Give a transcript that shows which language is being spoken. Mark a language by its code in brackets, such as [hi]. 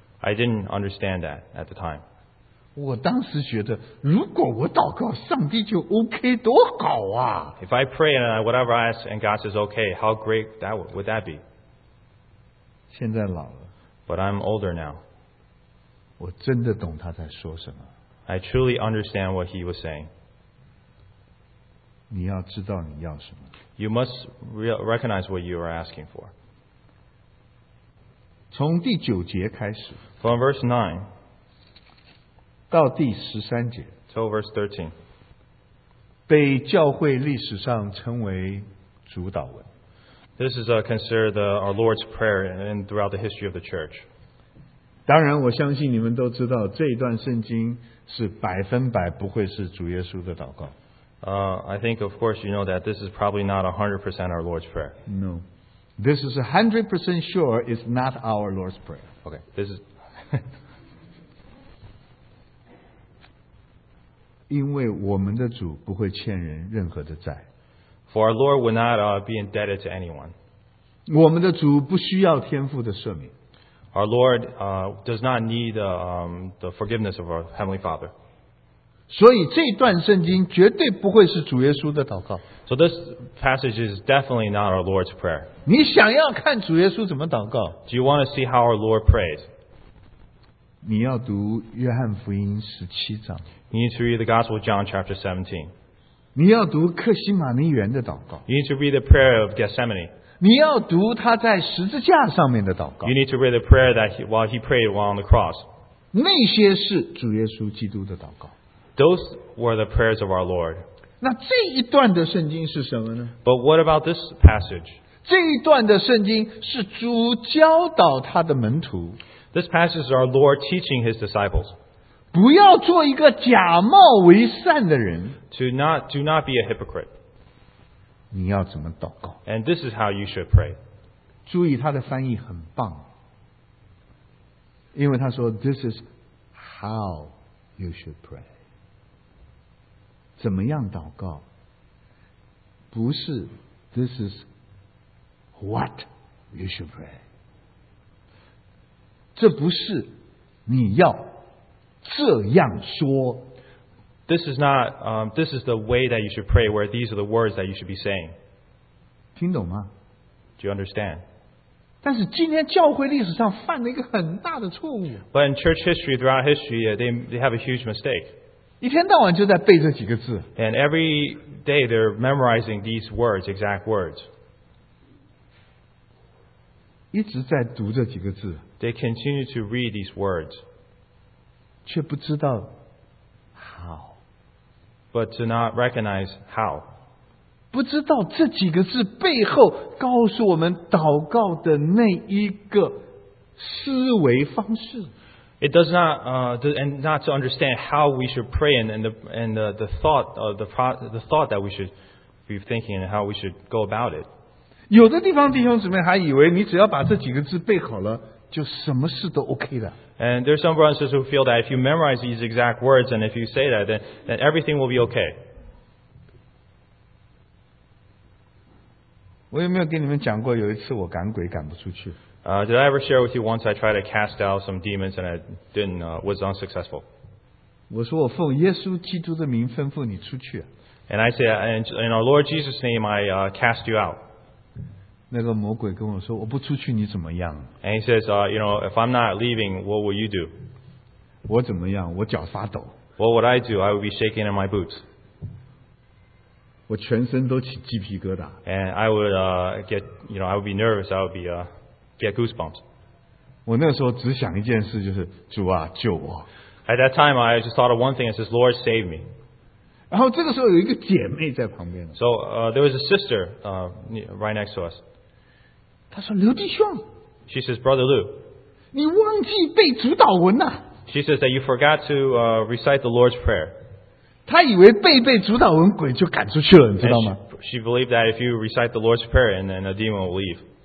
[en] I didn't understand that at the time. [zh] 我当时觉得，如果我祷告，上帝就 OK， 多好啊！ [en] If I pray and whatever I ask and God says okay, how great that would that be? [zh] 现在老了。 [en] But I'm older now. [zh] 我真的懂他在说什么。 [en] I truly understand what he was saying. [zh] 你要知道你要什么。 [en] You must recognize what you are asking for. [zh] 从第九节开始。 [en] From verse 9. [zh] 到第十三节。 [en] Till verse 13. [zh] 被教会历史上称为主祷文。 [en] This is considered our Lord's Prayer and throughout the history of the church. [zh] 当然我相信你们都知道这一段圣经是百分百不会是主耶稣的祷告。 [en] I think, of course, you know that this is probably not 100% our Lord's Prayer. No. This is 100% sure it's not our Lord's Prayer. Okay, this is... [zh] 因为我们的主不会欠人任何的债。 [en] For our Lord would not be indebted to anyone. [zh] 我们的主不需要天父的赦免。 [en] Our Lord does not need the forgiveness of our Heavenly Father. [zh] 所以这段圣经绝对不会是主耶稣的祷告。 [en] So this passage is definitely not our Lord's prayer. [zh] 你想要看主耶稣怎么祷告？ [en] Do you want to see how our Lord prays? [zh] 你要读约翰福音十七章。 [en] You need to read the Gospel of John chapter 17. [zh] 你要读克西马尼园的祷告。 [en] You need to read the prayer of Gethsemane. [zh] 你要读他在十字架上面的祷告。 [en] You need to read the prayer that while he prayed while on the cross. [zh] 那些是主耶稣基督的祷告。 [en] Those were the prayers of our Lord. [zh] 那这一段的圣经是什么呢？ [en] But what about this passage? [zh] 这一段的圣经是主教导他的门徒。 [en] This passage is our Lord teaching his disciples. [zh] 不要做一个假冒为善的人。 [en] Do not be a hypocrite. [zh] 你要怎么祷告？ [en] And this is how you should pray. [zh] 注意他的翻译很棒，因为他说 [en] This is how you should pray. [zh] 怎么样祷告？不是 [en] This is what you should pray. [zh] 这不是你要这样说。 [en] This is not, this is the way that you should pray, where these are the words that you should be saying. [zh] 听懂吗? [en] Do you understand? [zh] 但是今天教会历史上犯了一个很大的错误。 [en] But in church history, throughout history, they have a huge mistake. [zh] 一天到晚就在背这几个字。 [en] And every day, they're memorizing these words, exact words. [zh] 一直在读这几个字。 [en] They continue to read these words. [zh] 却不知道 [en] But to not recognize how. [zh] 不知道这几个字背后告诉我们祷告的那一个思维方式。 [en] It does not, and not to understand how we should pray and the thought that we should be thinking and how we should go about it. [zh] 有的地方弟兄姊妹还以为你只要把这几个字背好了，就什么事都 OK 了。 [en] And there are some brothers who feel that if you memorize these exact words and if you say that, then everything will be okay. [zh] 我有没有跟你们讲过有一次我赶鬼赶不出去? [en] Did I ever share with you once I tried to cast out some demons and I was unsuccessful? [zh] 我说我奉耶稣基督的名吩咐你出去。 [en] And I said, in our Lord Jesus' name, I cast you out. [zh] 那个魔鬼跟我说我不出去你怎么样 [en] And he says, you know, if I'm not leaving, what will you do? [zh] 我怎么样我脚发抖 [en] What would I do? I would be shaking in my boots. [zh] 我全身都起鸡皮疙瘩 [en] And I would be nervous, I would get goosebumps. [zh] 我那个时候只想一件事就是主啊救我 [en] At that time, I just thought of one thing, it says, Lord, save me. [zh] 然后这个时候有一个姐妹在旁边 [en] So there was a sister right next to us. [zh] 他说刘弟兄 [en] She says, Brother Lou, [zh] 你忘记背主祷文啊 [en] She says that you forgot to recite the Lord's Prayer. [zh] 他以为背主祷文鬼就赶出去了你知道吗 [en] she believed that if you recite the Lord's Prayer, and then a demon will leave.